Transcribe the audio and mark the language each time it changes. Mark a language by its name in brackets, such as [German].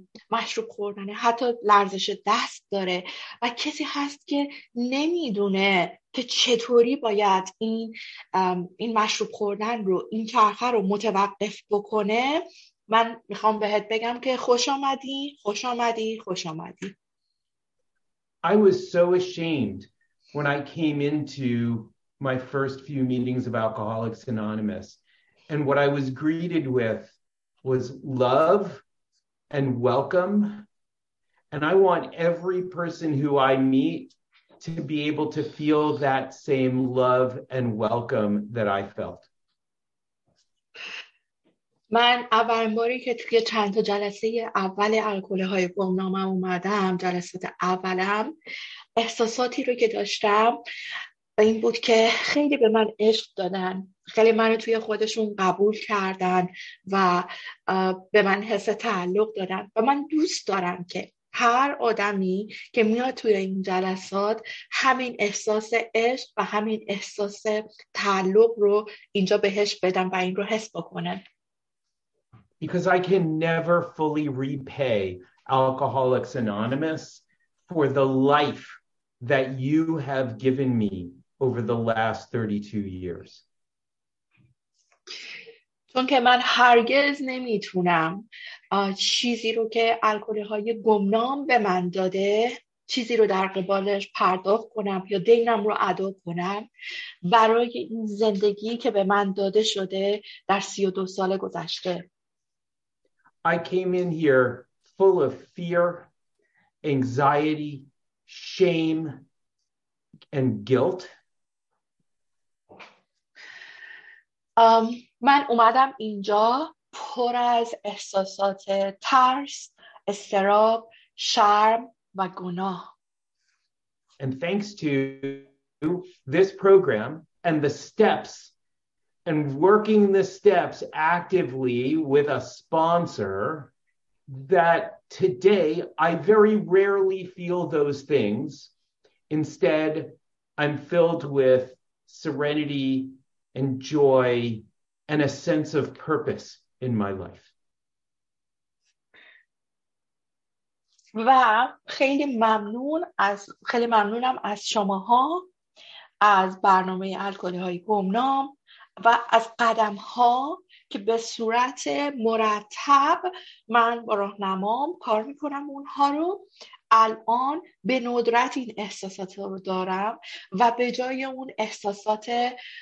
[Persian] مشروب خوردنه حتی لرزش دست داره، و کسی هست که نمیدونه که چطوری باید این مشروب خوردن رو، این چرخه رو متوقف بکنه، من میخوام بهت بگم که خوش آمدی، خوش آمدی، خوش آمدی. [English] I was so ashamed when I came into my first few meetings of Alcoholics Anonymous, and what I was greeted with was love and welcome. And I want every person who I meet to be able to feel that same love and welcome that I felt. [Persian] من اولین باری که توی چند تا جلسه اول الکل‌های گمنامم اومدم، جلسات اولم، احساساتی رو که داشتم این بود که خیلی به من عشق دادن، خیلی من رو توی خودشون قبول کردن و به من حس تعلق دادن، و من دوست دارم که هر آدمی که میاد توی این جلسات همین احساس عشق و همین احساس تعلق رو اینجا بهش بدم و این رو حس بکنه. [English] Because I can never fully repay Alcoholics Anonymous for the life that you have given me over the last 32 years. [Persian] چون که من هرگز نمیتونم چیزی رو که الکل‌های گمنام به من داده، چیزی رو در قبالش پرداخت کنم یا دینم رو ادا کنم برای این زندگی که به من داده شده در 32 سال گذشته. [English] I came in here full of fear, anxiety, shame, and guilt. [Persian] من اومدم اینجا پر از احساسات ترس، استراب، شرم و گناه. [English] And thanks to this program and the steps and working the steps actively with a sponsor, that today I very rarely feel those things. Instead, I'm filled with serenity and joy and a sense of purpose in my life. [Persian] و خیلی ممنون از خیلی ممنونم از شماها، از برنامه الکل‌های گمنام، و از قدم ها که به صورت مرتب من با راهنمام کار می کنم، اونها رو الان به ندرت این احساسات رو دارم، و به جای اون احساسات